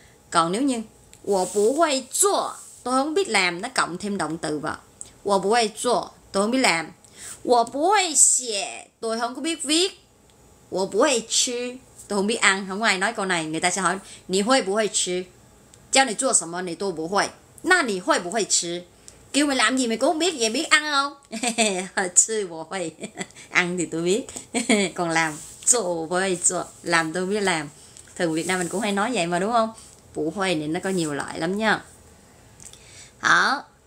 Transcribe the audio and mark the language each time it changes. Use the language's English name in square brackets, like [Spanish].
[Vietnamese] Còn nếu như [Chinese] 我不会做, [Vietnamese] tôi không biết làm, nó cộng thêm động từ vào. [Chinese] 我不会做, [Vietnamese] tôi không biết làm. [Chinese] 我不会写, [Vietnamese] tôi không có biết viết. [Chinese] 我不会吃, [Vietnamese] tôi không biết ăn. Không có ai nói câu này, người ta sẽ hỏi [Chinese] 你会不会吃? 叫你做什么你都不会, 那你会不会吃? [Vietnamese] Kêu mày làm gì mày cũng không biết, vậy biết ăn không? [Chinese] 吃我会, [Vietnamese] ăn thì tôi biết. Còn làm, [Chinese] 做我不会做, [Vietnamese] làm tôi không biết làm. Thường Việt Nam mình cũng hay nói vậy mà đúng không? 不会 nên nó có nhiều loại lắm nha. Hảo.